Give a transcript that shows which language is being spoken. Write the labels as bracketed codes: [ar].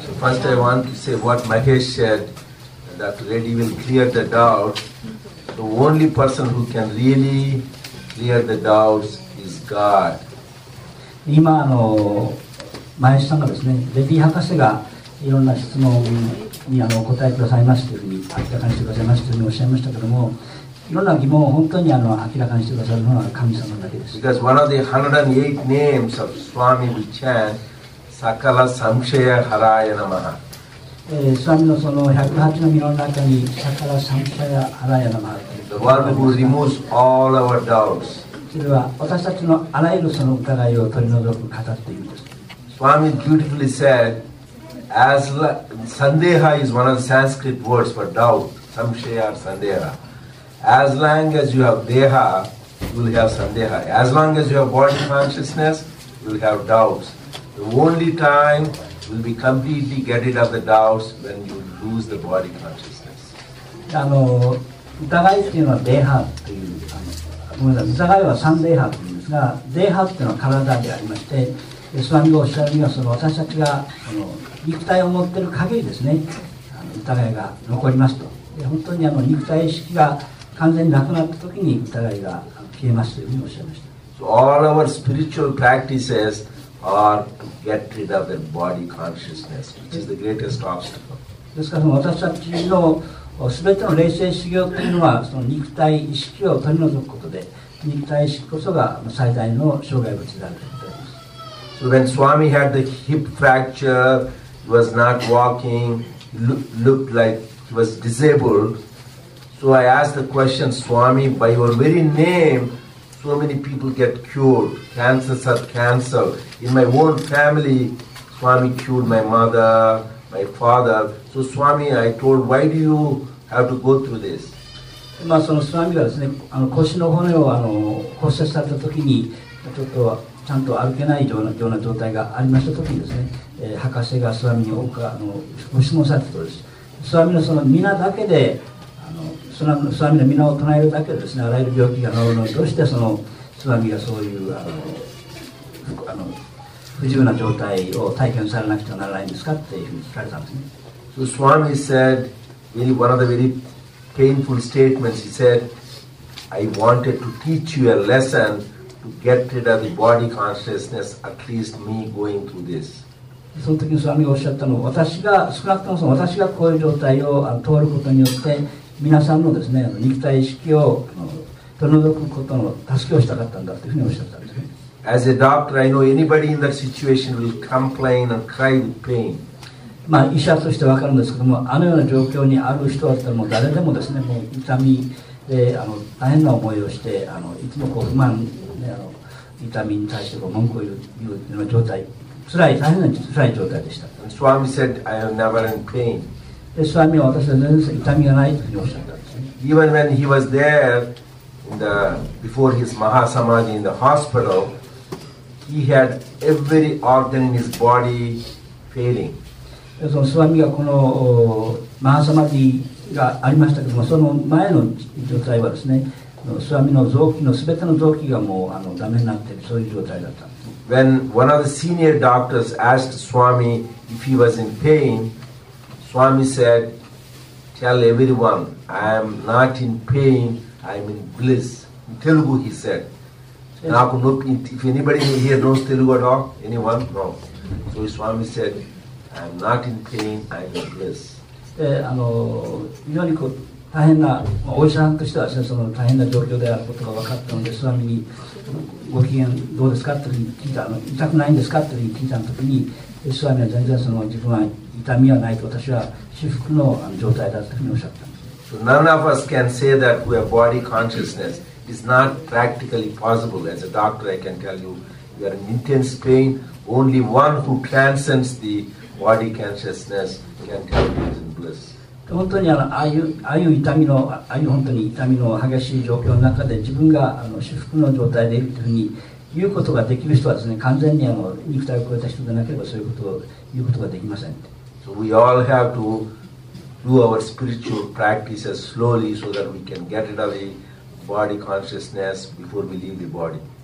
[en] First I want to say what Mahesh said, that lady will clear the doubt. The only person who can really clear the doubts is God. [ja] 今あの前橋さんがですね、レディ博士がいろんな質問にあの答えくださいますというふうに明らかにしてくださいますというふうにおっしゃいましたけども、いろんな疑問を本当にあの明らかにしてくださるのは神様だけです。 [en] Because one of the 108 names of Swami we chant, [sa] Sakala Samkshaya Haraya Namaha. [ja] スワミのその108の身の中にサカラサンシャヤアラヤナマハ、 [en] The one who removes all our doubts、 [ja] それは私たちのあらゆるその疑いを取り除く方っていうんです。 [en] スワミ beautifully said as la, Sandeha is one of the Sanskrit words for doubt, Samshaya or Sandeha. As long as you have Deha, you will have Sandeha. As long as you have body consciousness, you will have doubts. The only timewill be completely get rid of the doubts when you lose the body consciousness. [ja] あの疑いっていうのはデーハっていう、あのごめんなさい、疑いはサンデーハっていうんですが、デーハっていうのは体でありまして、スワミがおっしゃるには、その私たちがその肉体を持ってる限りですね、あの疑いが残りますと。で本当にあの肉体意識が完全になくなった時に疑いが消えますというふうにおっしゃいました。 [en] So all our spiritual practicesOr to get rid of the body consciousness, which is the greatest obstacle. [ja] ですから、私たちのすべての霊性修行というのは、その肉体意識を取り除くことで、肉体意識こそが最大の障害物であると言います。 [en] So when Swami had the hip fracture, he was not walking, looked like he was disabled. So I asked the question, Swami, by your very name. So many people get cured. Cancers are canceled. In my own family, Swami cured my mother, my father. So Swami, I told, why do you have to go through this? [ja] まあそのスワミがですね、あの腰の骨をあの骨折された時に、ちょっとちゃんと歩けないような状態がありました時にですね、博士がスワミにおかあのご質問されたとです。スワミのその皆だけで。スワミの皆を唱えるだけ で, ですね、あらゆる病気が治るのに、どうしてそのスワミがそういうあのあの不自由な状態を体験されなくてはならないんですかっていうふうに聞かれたんですね。 [en] So Swami said, really one of the very painful statements, he said, I wanted to teach you a lesson to get rid of the body consciousness, at least me going through this. [ja] その時にスワミがおっしゃったのは、私が、少なくともその私がこういう状態を通ることによって、皆さんのですね、肉体意識を取り除くことの助けをしたかったんだというふうにおっしゃったんですね。 [en] As a doctor, I know anybody in that situation will complain and cry with pain. [ja] まあ、医者としてわかるんですけども、あのような状況にある人だったら、もう誰でもですね、もう痛みで、大変な思いをして、いつもこう不満、ね、痛みに対してこう文句を言うような状態、辛い、大変な辛い状態でした。 [en] And Swami said, I have never in pain. [ja] でスワミは私は全然痛みがないとおっしゃったんですね。 [en] Even when he was there in the, before his Mahasamadhi in the hospital, he had every organ in his body failing. [ja] そのスワミがこのマハサマディがありましたけども、その前の状態はですね、スワミの臓器の全ての臓器がもうダメになっている、そういう状態だったんです。 [en] When one of the senior doctors asked Swami if he was in pain,Swami said, tell everyone, I am not in pain, I am in bliss. In Telugu, he said. If anybody here knows Telugu at all, anyone? No. So Swami said, I am not in pain, I am in bliss. [ja] で、非常にこう大変な、まあ、お医者さんとしてはですね、その大変な状況であることが分かったので、スワミにご機嫌どうですかというふうに聞いた、痛くないんですかというふうに聞いたときに、スワミは全然その自分は痛みはないと、私は至福の状態だというふうにおっしゃったんです。 [en] So none of us can say that we have body consciousness. It's not practically possible. As a doctor, I can tell you, you are in intense pain. Only one who transcends the body consciousness can tell you is in bliss. [ja] 本当にああいう痛みの、ああいう本当に痛みの激しい状況の中で、自分が至福の状態でいるというふうに言うことができる人はですね、完全に肉体を超えた人でなければそういうことを言うことができません。 [en] So we all have to do our spiritual practices slowly so that we can get rid of the body consciousness before we leave the body.